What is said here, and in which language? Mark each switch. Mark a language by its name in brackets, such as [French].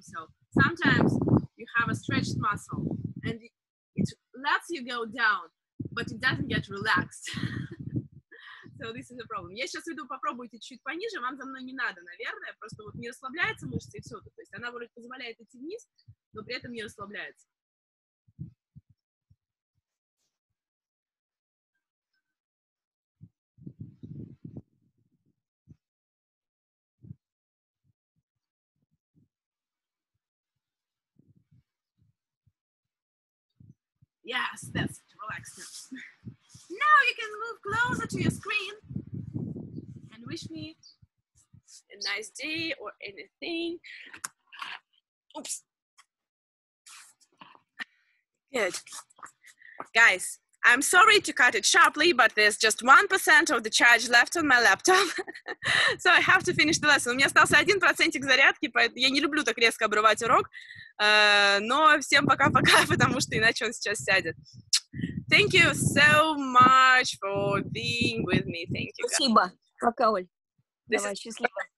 [English] So sometimes you have a stretched muscle and it lets you go down, but it doesn't get relaxed. So this is the problem. [Russian] Я сейчас иду попробуйте чуть пониже, вам за мной не надо, наверное, просто вот не расслабляется мышца и все. То есть она вроде позволяет идти вниз, но при этом не расслабляется. [English] Yes, that's it, relax now. Now you can move closer to your screen and wish me a nice day or anything. Oops. Good. Guys, I'm sorry to cut it sharply, but there's just 1% of the charge left on my laptop. So I have to finish the lesson. [Russian] У меня остался 1% зарядки, поэтому я не люблю так резко обрывать урок. Но всем пока-пока, потому что иначе он сейчас сядет. [English] Thank you so much for being with me. Thank you. [Russian] Спасибо. Пока, Оль. Давай, счастливо.